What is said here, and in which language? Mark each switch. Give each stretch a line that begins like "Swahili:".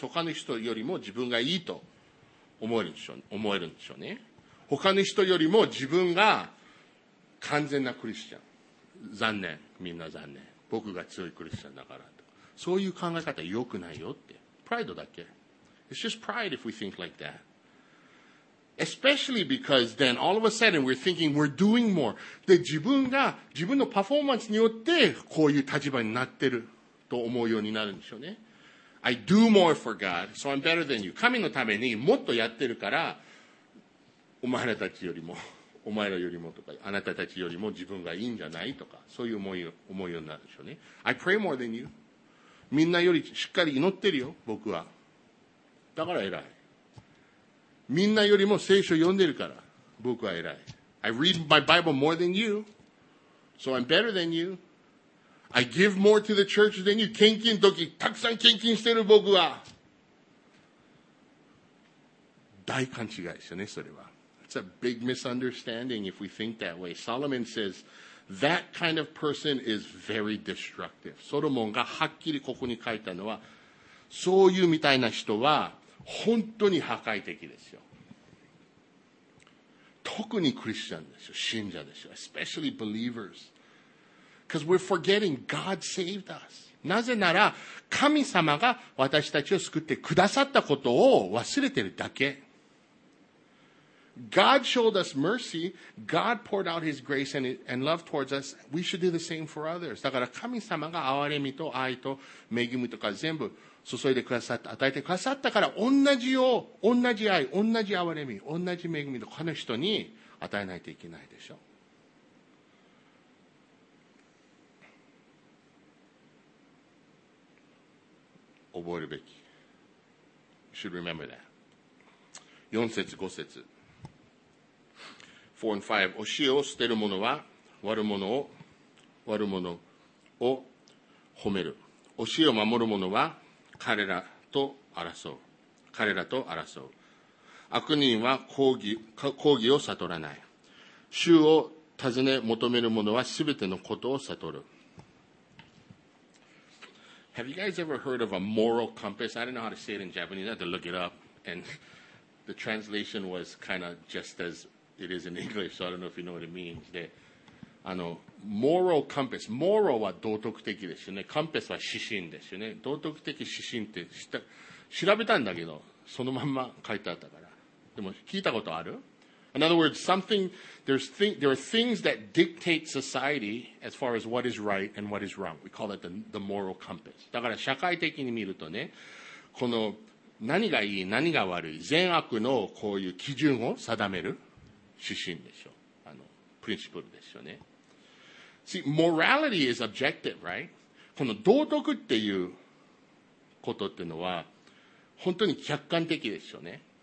Japanese: 他の人よりも自分がいいと思えるんでしょうね。他の人よりも自分が完全なクリスチャン。残念、みんな残念、僕が強いクリスチャンだからと、そういう考え方良くないよって、プライドだっけ。
English: It's just pride if we think like that. Especially because then all of a sudden we're thinking we're doing more.
Japanese: で、自分が自分のパフォーマンスによってこういう立場になってると思うようになるんでしょうね。
English: I do more for God, so I'm better than you.
Japanese: 神のためにもっとやってるから、お前らたちよりも、お前らよりもとか、あなたたちよりも自分がいいんじゃないとか、そういう思いようになるでしょうね。
English: I pray more than you.
Japanese: みんなよりしっかり祈ってるよ、僕は。だから偉い。みんなよりも聖書読んでるから、僕は偉い。
English: I read my Bible more than you, so I'm better than you. I give more to the church than you.
Japanese: 献金の時、たくさん献金してる僕は。大勘違いですよね、それは。
English: It's a big misunderstanding if we think that way. Solomon says, that kind of person is very destructive.
Japanese: ソロモンがはっきりここに書いたのは、そういうみたいな人は本当に破壊的ですよ。特にクリスチャンですよ。信者ですよ。
English: Especially believers. Because we're forgetting God saved us.
Japanese: なぜなら神様が私たちを救ってくださったことを忘れてるだけ。
English: God showed us mercy. God poured out His grace and love towards us. We should do the same for others.
Japanese: だから神様が憐れみと愛と恵みとか全部注いでくださった、与えてくださったから、同じ愛、同じ憐れみ、同じ恵みとこの人に与えないといけないでしょ。覚えるべき。
English: You should remember that.
Japanese: 4節5節。
English: 4 and 5。
Japanese: 教えを捨てる者は悪者を褒める。教えを守る者は彼らと争う。悪人は抗議を悟らない。主を尋ね求める者はすべてのことを悟る。
English: Have you guys ever heard of a moral compass? I don't know how to say it in Japanese. I had to look it up. And the translation was kind of just as it is in English. So I don't know if you know what it means.
Japanese: で、moral compass. Moral は道徳的ですよね。 Compass は指針ですよね。道徳的指針って調べたんだけど、そのまんま書いてあったから。でも聞いたことある?
English: In other words, there are things that dictate society as far as what is right and what is wrong. We call that the moral compass.
Japanese: だから社会的に見るとね、この何がいい、何が悪い、善悪のこういう基準を定める指針でしょ。
English: principle
Japanese: ですよね。
English: See, morality is objective, right?
Japanese: この道徳っていうことっていうのは、本当に客観的ですよね。